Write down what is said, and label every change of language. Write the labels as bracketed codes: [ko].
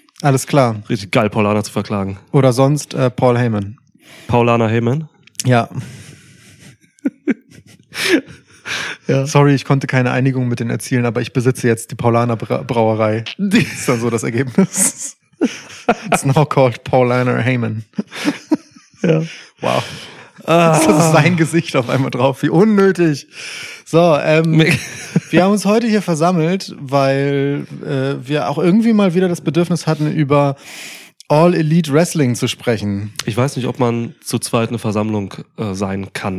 [de] Alles klar. Richtig geil, Paulana zu verklagen. Oder sonst Paul Heyman. Paulana Heyman? Ja. Ja. Sorry, ich konnte keine Einigung mit denen erzielen, aber ich besitze jetzt die Paulaner Brauerei. Das ist dann so das Ergebnis. [en] It's now called Paulaner Heyman. [de] Ja. Wow. Das ist sein Gesicht auf einmal drauf, wie unnötig. So, wir haben uns heute hier versammelt, weil wir auch irgendwie mal wieder das Bedürfnis hatten, über All Elite Wrestling zu sprechen. Ich weiß nicht, ob man zu zweit eine Versammlung sein kann.